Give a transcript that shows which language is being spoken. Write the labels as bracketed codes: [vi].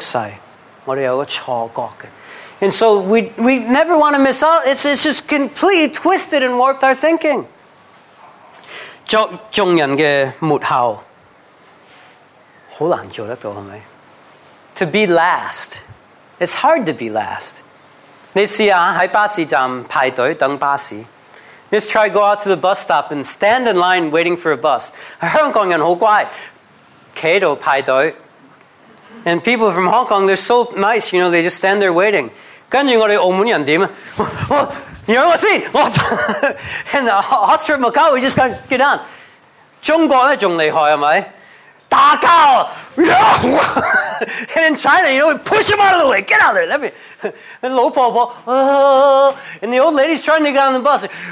[zh] 我们这个一定不可以执输。我们真的扭曲了。我们有个错觉的。 [en] And so we never want to miss out. It's just completely twisted and warped our thinking. [zh] 作众人的末后, 很难做得到,是不是? [en] To be last. It's hard to be last. [zh] 你试试在巴士站排队等巴士。 [en] Just try to go out to the bus stop and stand in line waiting for a bus. [zh] 香港人很乖, 站着排队。 [en] And people from Hong Kong, they're so nice, you know, they just stand there waiting. [zh] 跟着我们澳门人怎么样? [en] And the Macau, we just got to get on. [zh] 中国更厉害,是不是? 打高! [en] And in China, you know, we push him out of the way. Get out of there. Let me. And low po po. And the old lady's trying to get on the bus.